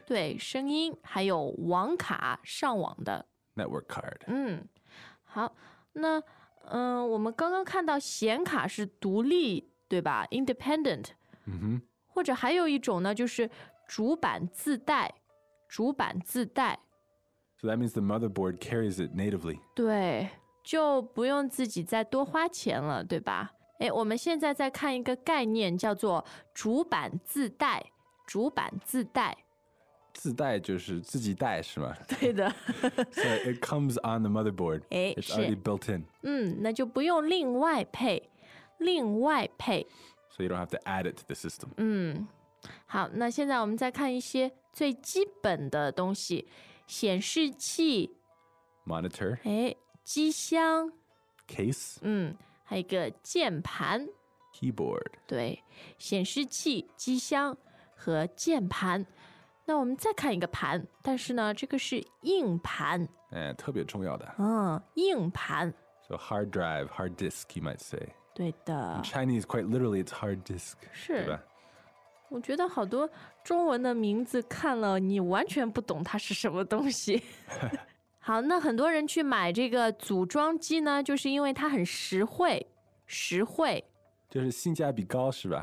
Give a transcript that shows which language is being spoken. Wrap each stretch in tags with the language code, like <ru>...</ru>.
<zh>对，声音还有网卡上网的。</zh> <en>Network card.</en> <zh>嗯，好，那我们刚刚看到显卡是独立，对吧 ？Independent. 嗯哼。或者还有一种呢，就是主板自带，主板自带。</zh> <en>So that means the motherboard carries it natively.</en> <zh>对，就不用自己再多花钱了，对吧？哎，我们现在在看一个概念，叫做主板自带，主板自带。自带就是自己带是吗？对的。</zh> <en>So it comes on the motherboard. It's already built in.</en> <zh>嗯，那就不用另外配，另外配。</zh> <en>So you don't have to add it to the system.</en> <zh>嗯，好，那现在我们再看一些最基本的东西，显示器</zh> <en>，monitor，</en> <zh>哎，机箱</zh> <en>，case，</en> <zh>嗯，还有一个键盘</zh> <en>，keyboard，</en> <zh>对，显示器、机箱和键盘。那我们再看一个盘，但是呢，这个是硬盘，哎，特别重要的，嗯，硬盘。</zh> <en>So hard drive, hard disk, you might say.</en> <zh>对的。</zh> <en>In Chinese, quite literally, it's hard disk.</en> <zh>是，对吧？我觉得好多中文的名字看了，你完全不懂它是什么东西。好，那很多人去买这个组装机呢，就是因为它很实惠，实惠。就是性价比高是吧？</zh>